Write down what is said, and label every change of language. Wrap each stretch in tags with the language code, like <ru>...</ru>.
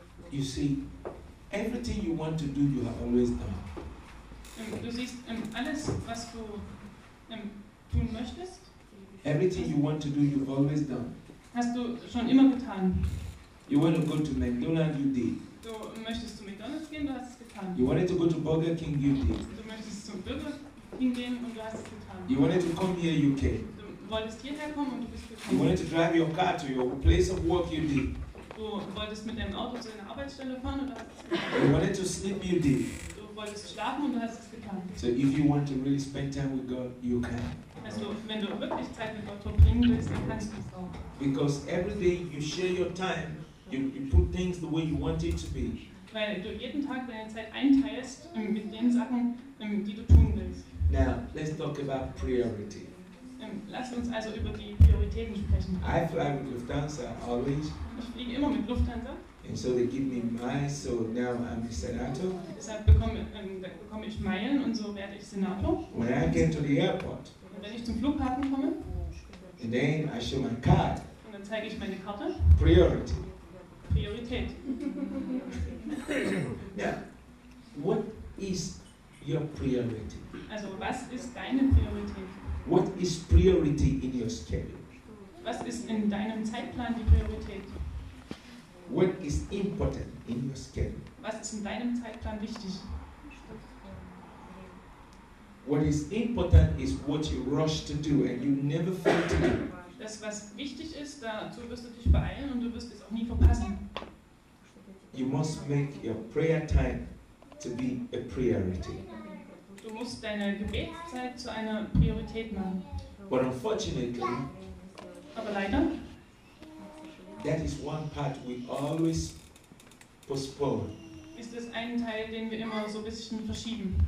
<en>You see, everything you want to do, you have always done.</en> <de>Du siehst, alles, was du tun möchtest,</de> <en>everything you want to do, you've always done.</en> <de>Hast du schon immer getan.</de> <en>You want to go to McDonald's, you did.</en> <de>Du möchtest zu McDonald's gehen, du hast es getan.</de> <en>You wanted to go to Burger King, you did.</en> <de>Du möchtest zum Burger King gehen und du hast es getan.</de> <en>You wanted to come here, you came.</en> <de>Du wolltest hierher kommen und du bist gekommen.</de> <en>You wanted to drive your car to your place of work, you did.</en> <de>Du wolltest mit deinem Auto zu deiner Arbeitsstelle fahren und du hast es getan.</de> <en>You wanted to sleep, you did.</en> <de>Du wolltest schlafen und du hast es getan.</de> <en>So if you want to really spend time with God, you can.</en> <de>Also, wenn du wirklich Zeit mit Gott verbringen willst, dann kannst du es auch.</de> <en>Because every day you share your time, you put things the way you want it to be.</en> <de>Weil du jeden Tag deine Zeit einteilst mit den Sachen, die du tun willst.</de> <en>Now, let's talk about priority.</en> <de>Lass uns also über die Prioritäten sprechen.</de> <en>I fly with Lufthansa always.</en> <de>Ich fliege immer mit Lufthansa.</de> <en>And so they give me miles, so now I'm a senator.</en> <de>Deshalb bekomme ich Meilen und so werde ich Senator.</de> <en>When I get to the airport,</en> <de>wenn ich zum Flughafen komme,</de> <en>and then I show my card.</en> <de>Und dann zeige ich meine Karte.</de> <en>Priority.</en> <de>Priorität.</de> <en>Yeah. What is your priority?</en> <de>Also, was ist deine Priorität?</de> <en>What is priority in your schedule?</en> <de>Was ist in deinem Zeitplan die Priorität?</de> <en>What is important in your schedule?</en> <de>Was ist in deinem Zeitplan wichtig?</de> <en>What is important is what you rush to do and you never fail to do.</en> <de>Das, was wichtig ist, dazu wirst du dich beeilen und du wirst es auch nie verpassen.</de> <en>You must make your prayer time to be a priority.</en> <de>Du musst deine Gebetszeit zu einer Priorität machen.</de> <en>But unfortunately,</en> <de>aber leider,</de> <en>that is one part we always postpone.</en> <de>Ist das ein Teil, den wir immer so ein bisschen verschieben.</de>